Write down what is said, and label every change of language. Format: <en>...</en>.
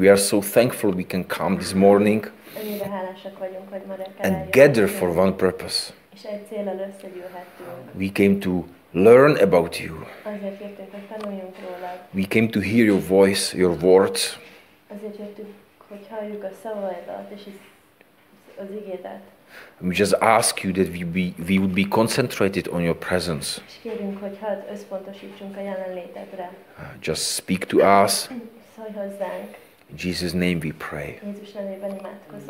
<en>we are so thankful we can come this morning</en> <hu>vagyunk, hogy</hu> <en>and gather for one purpose.</en> <hu>És egy céllal összegyűlhettünk.</hu> <en>We came to learn about you.</en> <hu>Azért jöttünk, hogy tanuljunk rólad.</hu> <en>We came to hear your voice, your words.</en> <hu>Azért jöttünk, hogy halljuk a szavaidat és az igédet.</hu> <en>We just ask you that we would be concentrated on your presence.</en> <hu>És kérünk, hogy hadd összpontosítsunk a jelenlétedre.</hu> <en>Just speak to us.</en> <hu>Szólj hozzánk.</hu> <en>In Jesus' name we pray.</en> <hu>Jézus nevében imádkozunk.</hu>